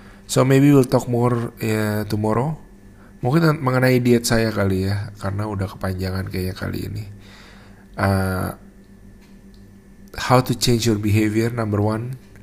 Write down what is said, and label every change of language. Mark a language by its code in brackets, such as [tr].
[en] So maybe we'll talk more tomorrow. [id] Mungkin mengenai diet saya kali ya, karena udah kepanjangan kayaknya kali ini. [en] How to change your behavior, number one.